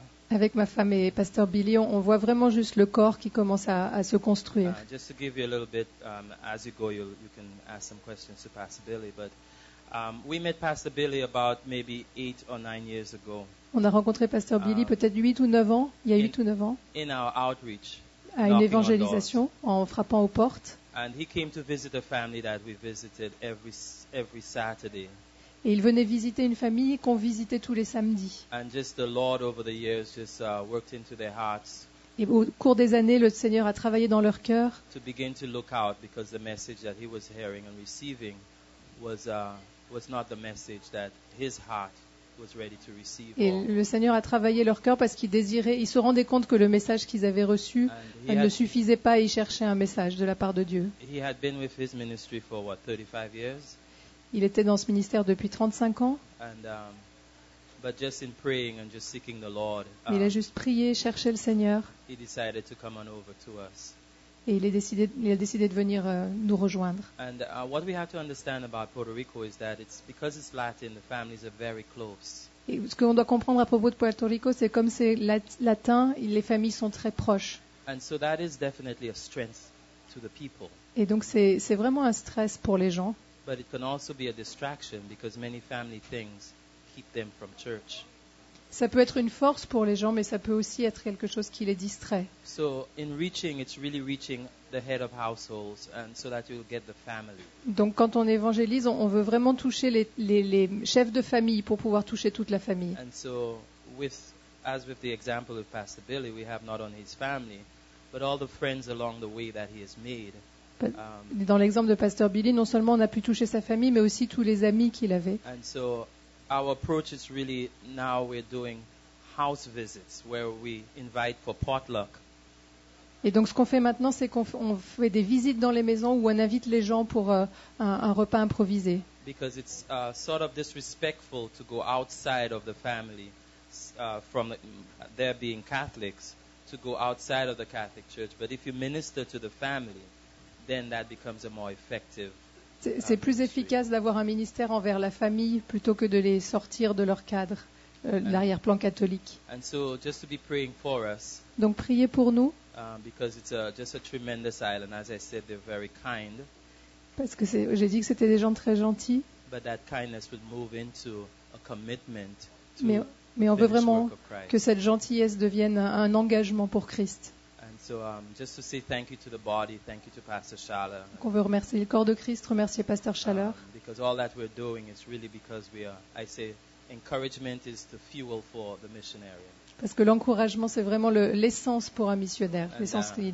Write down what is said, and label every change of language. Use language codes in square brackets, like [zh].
[fr] Avec ma femme et Pasteur Billy, on voit vraiment juste le corps qui commence à se construire. [en] Just to give you a little bit, as you go, you can ask some questions to Pastor Billy, but we met Pastor Billy about maybe 8 or 9 years ago. [fr] On a rencontré Pasteur Billy peut-être 8 ou 9 ans. Il y a 8 ou 9 ans. [en] In our outreach, [fr] à une évangélisation, en frappant aux portes. [en] And he came to visit a family that we visited every Saturday. [fr] Et il venait visiter une famille qu'on visitait tous les samedis. [en] And just the Lord over the years just worked into their hearts. [fr] Et au cours des années, le Seigneur a travaillé dans leur cœur. [en] To begin to look out because the message that he was hearing and receiving was not the message that his heart was ready to receive. [fr] Et le Seigneur a travaillé leur cœur parce qu'il désirait, il se rendait compte que le message qu'ils avaient reçu ne suffisait pas et il cherchait un message de la part de Dieu. [en] He had been with his ministry for what, 35 years? [fr] Il était dans ce ministère depuis 35 ans. [en] And, but just in praying and just seeking the Lord, [fr] il a juste prié, cherché le Seigneur. [en] He decided to come on over to us. [fr] Et il a décidé de venir nous rejoindre. [en] And what we have to understand about Puerto Rico is that it's because it's Latin, the families are very close. [fr] Et ce qu'on doit comprendre à propos de Puerto Rico, c'est comme c'est latin, les familles sont très proches. [en] And so that is definitely a strength to the people. [fr] Et donc c'est vraiment un stress pour les gens. [en] But it can also be a distraction because many family things keep them from church. [fr] Ça peut être une force pour les gens, mais ça peut aussi être quelque chose qui les distrait. [en] So in reaching, it's really reaching the head of households, and so that you'll get the family. [fr] Donc quand on évangélise, on veut vraiment toucher les chefs de famille pour pouvoir toucher toute la famille. [en] And so as with the example of Pastor Billy, we have not only his family, but all the friends along the way that he has made. [fr] Dans l'exemple de Pasteur Billy, non seulement on a pu toucher sa famille, mais aussi tous les amis qu'il avait. [en] And so our approach is really now we're doing house visits where we invite for potluck. [fr] Et donc ce qu'on fait maintenant, c'est qu'on fait des visites dans les maisons où on invite les gens pour un repas improvisé. [en] Because it's sort of disrespectful to go outside of the family from there being Catholics to go outside of the Catholic Church. But if you minister to the family, then that becomes a more effective. [fr] C'est plus efficace d'avoir un ministère envers la famille plutôt que de les sortir de leur cadre, l'arrière-plan catholique. [en] And so just to be praying for us. [fr] Donc priez pour nous. [en] Because it's just a tremendous island, as I said, they're very kind. [fr] Parce que j'ai dit que c'était des gens très gentils. [en] But that kindness would move into a commitment to [fr] Mais on veut vraiment que cette gentillesse devienne un engagement pour Christ. Donc on veut remercier le corps de Christ, remercier Pasteur Schaller. [en] Because all that we're doing is really because we are, I say, encouragement is the fuel for the missionary. [fr] Parce que l'encouragement, c'est vraiment l'essence pour un missionnaire, l'essence qui